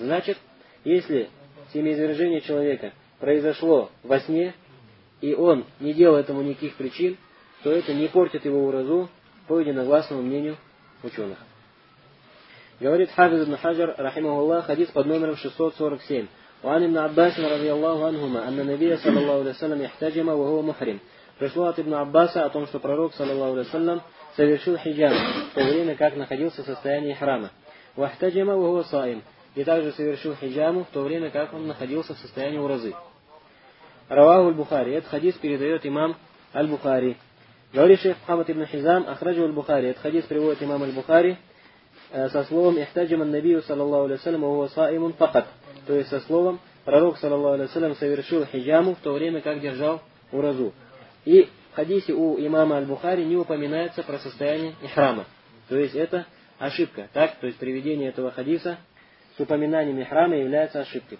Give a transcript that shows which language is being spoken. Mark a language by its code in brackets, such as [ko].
[ru] Значит, если семяизвержение человека произошло во сне, и он не делал этому никаких причин, то это не портит его уразу, по единогласному мнению ученых. Говорит Хафиз ибн Хаджар, рахимахуллах, хадис под номером 647. [ar] وعن ابن عباس رضي الله عنهما أن النبي صلى الله عليه وسلم احتجم وهو محرم. [ru] Пришло от ابن عباس о том, что пророк [ar] صلى الله عليه وسلم [ru] совершил хиджаб в то время, как находился в состоянии храма. [ar] واحتجم وهو صائم. [ru] И также совершил хиджаб в то время, как он находился в состоянии уразы. [ar] رواه البخاري. [ru] Этот хадис передает имам Аль-Бухари. Говорит шейх Мухаммад ибн Хизам, [ar] أخرجه البخاري. [ru] Этот хадис приводит имам Аль-Бухари со словом [ar] احتجم النبي صلى الله عليه وسلم وهو صائم [ru] فقط. То есть, со словом, пророк, саллаллаху алейхи ва саллям, совершил хиджаму в то время, как держал уразу. И в хадисе у имама Аль-Бухари не упоминается про состояние ихрама. То есть, это ошибка. Так, то есть, приведение этого хадиса с упоминанием ихрама является ошибкой.